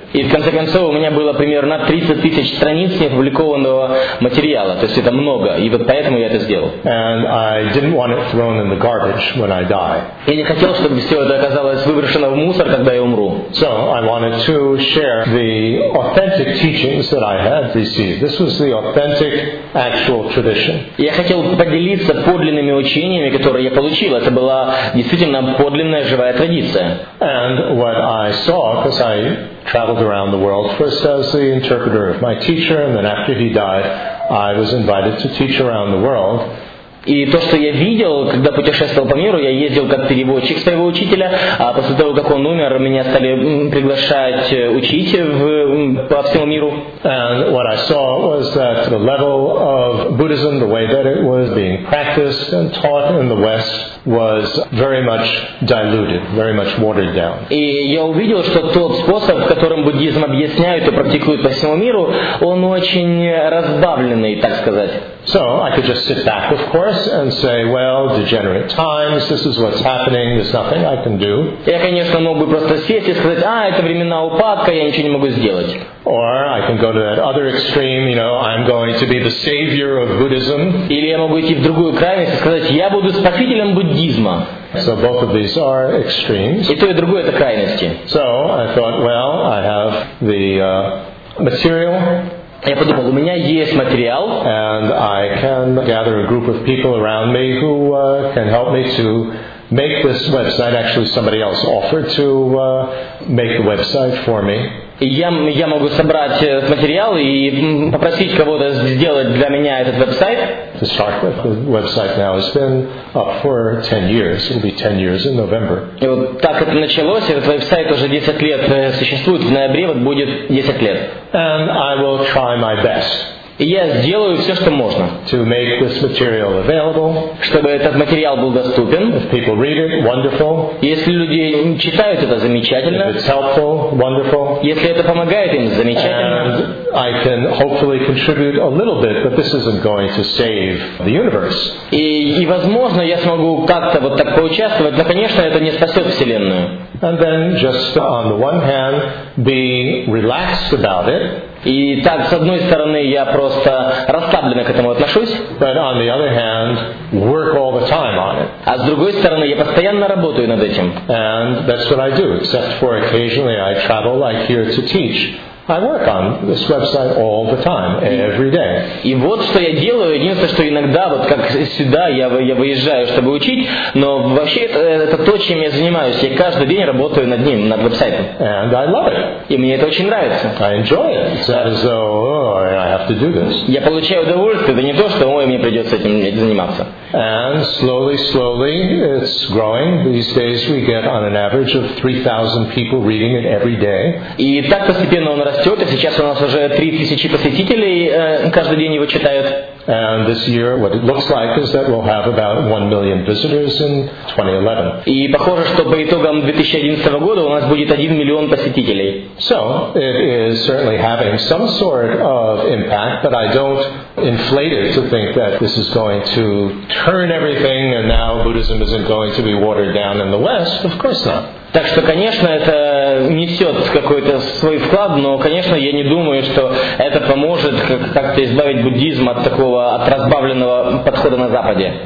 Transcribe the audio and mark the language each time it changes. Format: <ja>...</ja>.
<ru>И в конце концов у меня было примерно 30 тысяч страниц неопубликованного материала, то есть это много, и вот поэтому я это сделал.</ru> <en>And I didn't want it thrown in the garbage when I die.</en> <ru>Я не хотел, чтобы все это оказалось выброшено в мусор, когда я умру.</ru> <en>So I wanted to share the authentic teachings that I had received. This was the authentic, actual tradition.</en> <ru>Я хотел поделиться подлинными учениями, которые я получил. Это была действительно подлинная живая традиция.</ru> <en>And what I saw, because I traveled around the world first as the interpreter of my teacher, and then after he died, I was invited to teach around the world.</en> <ru>И то, что я видел, когда путешествовал по миру, я ездил как переводчик своего учителя, а после того, как он умер, меня стали приглашать учить по всему миру.</ru> <en>And what I saw was that the level of Buddhism, the way that it was being practiced and taught in the West, was very much diluted, very much watered down.</en> <ru>И я увидел, что тот способ, которым буддизм объясняют и практикуют по всему миру, он очень разбавленный, так сказать.</ru> <en>So I could just sit back, of course, and say, well, degenerate times, this is what's happening, there's nothing I can do.</en> <ru>Я, конечно, мог бы просто сесть и сказать, а, это времена упадка, я ничего не могу сделать.</ru> <en>Or I can go to that other extreme, you know, I'm going to be the savior of Buddhism.</en> <ru>Или я могу идти в другую крайность и сказать, я буду спасителем буддизма.</ru> <en>So both of these are extremes.</en> <ru>И то, и другое — это крайности.</ru> <en>So I thought, well, I have the material.</en> <ru>Я подумал, у меня есть материал.</ru> <en>And I can gather a group of people around me who can help me to make this website. Actually, somebody else offered to make the website for me.</en> <ru>Я могу собрать материал и попросить кого-то сделать для меня этот веб-сайт.</ru> <en>To start with, the website now has been up for 10 years. It'll be 10 years in November.</en> <ru>И вот так это началось, и этот веб-сайт уже 10 лет существует. В ноябре вот будет 10 лет.</ru> <en>And I will try my best.</en> <ru>И я сделаю все, что можно,</ru> <en>to make this material available.</en> <ru>Чтобы этот материал был доступен.</ru> <en>If people read it, wonderful.</en> <ru>Если люди читают это, замечательно.</ru> <en>If it's helpful, wonderful.</en> <ru>Если это помогает им, замечательно.</ru> <en>And I can hopefully contribute a little bit, but this isn't going to save the universe.</en> <ru>И возможно, я смогу как-то вот так поучаствовать, но, конечно, это не спасет Вселенную.</ru> <en>And then just on the one hand, be relaxed about it.</en> <ru>И так, с одной стороны, я просто расслабленно к этому отношусь.</ru> <en>But on the other hand, work all the time on it.</en> <ru>А с другой стороны, я постоянно работаю над этим.</ru> <en>And that's what I do, except for occasionally I travel, like here to teach. I work on this website all the time, every day.</en> <ru>И вот что я делаю, единственное, что иногда, вот как сюда, я выезжаю, чтобы учить, но вообще это то, чем я занимаюсь. Я каждый день работаю над ним, над веб-сайтом.</ru> <en>And I love it.</en> <ru>И мне это очень нравится.</ru> <en>I enjoy it. It's not as though, oh, I have to do this.</en> <ru>Я получаю удовольствие, это не то, что, ой, мне придется этим заниматься.</ru> <en>And slowly, slowly, it's growing. These days we get on an average of 3,000 people reading it every day.</en> <ru>И так постепенно он растет, и сейчас у нас уже 3000 посетителей каждый день его читают.</ru> <en>And this year, what it looks like is that we'll have about 1 million visitors in 2011.</en> <ru>И похоже, что по итогам 2011 года у нас будет 1 миллион посетителей.</ru> <en>So it is certainly having some sort of impact, but I don't inflate it to think that this is going to turn everything, and now Buddhism isn't going to be watered down in the West. Of course not.</en> <ru>Так что, конечно, это несет какой-то свой вклад, но, конечно, я не думаю, что это поможет как-то избавить буддизм от такого, от разбавленного подхода на Западе.</ru>